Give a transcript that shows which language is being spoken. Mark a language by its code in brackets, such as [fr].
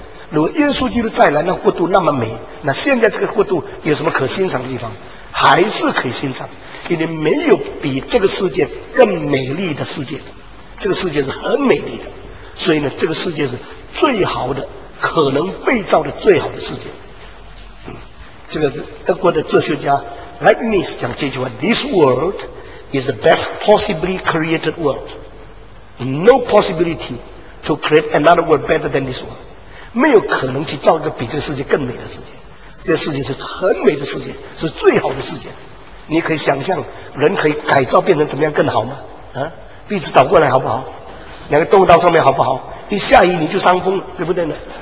[zh] 如果耶稣基督再来，那国度那么美，那现在这个国度有什么可欣赏的地方？还是可以欣赏，因为没有比这个世界更美丽的世界，这个世界是很美丽的，所以呢，这个世界是最好的，可能被造的最好的世界。这个德国的哲学家 Leibniz 讲这句话， [en] This world is the best possibly created world. No possibility to create another world better than this one. [zh] 没有可能去造一个比这个世界更美的世界，这个世界是很美的世界，是最好的世界。你可以想象人可以改造变成怎么样更好吗？壁纸倒过来好不好？两个动物到上面好不好？一下雨你就伤风，对不对呢？